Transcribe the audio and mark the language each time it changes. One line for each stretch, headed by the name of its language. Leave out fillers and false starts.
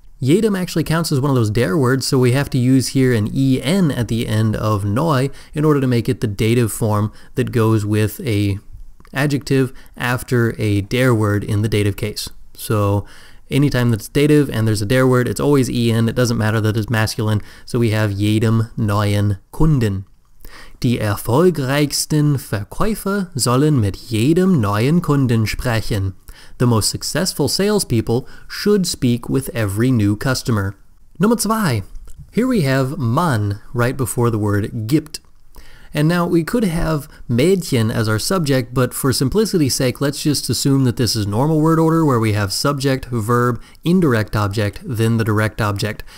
English: Jedem actually counts as one of those der words, so we have to use here an en at the end of neu in order to make it the dative form that goes with a adjective after a der word in the dative case. So anytime that's dative and there's a der word, it's always en, it doesn't matter that it's masculine, so we have
German: jedem neuen Kunden. Die erfolgreichsten Verkäufer sollen mit jedem neuen Kunden sprechen.
English: The most successful salespeople should speak with every new customer.
German: Nummer zwei.
English: Here we have man right before the word gibt. And now we could have Mädchen as our subject, but for simplicity's sake, let's just assume that this is normal word order where we have subject, verb, indirect object, then the direct object.